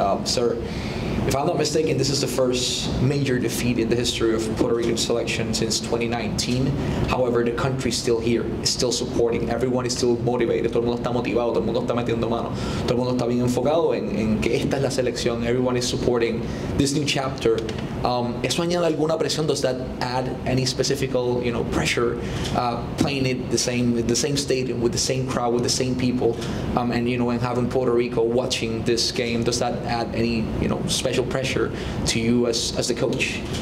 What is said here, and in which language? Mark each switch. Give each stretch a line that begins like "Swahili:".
English: Sir, if I'm not mistaken, this is the first major defeat in the history of Puerto Rican selection since 2019. However, the country is still here, it's still supporting. Everyone is still motivated.
Spanish: Todo el mundo está motivado, todo el mundo está metiendo mano. Todo el mundo está bien enfocado en que esta es la selección.
English: Everyone is supporting this new chapter.
Spanish: ¿Eso añade alguna presión?
English: Does that add any specific, you know, pressure playing it the same stadium with the same crowd, with the same people, and, you know, and having Puerto Rico watching this game? Does that add any, you know, special pressure to you as the coach?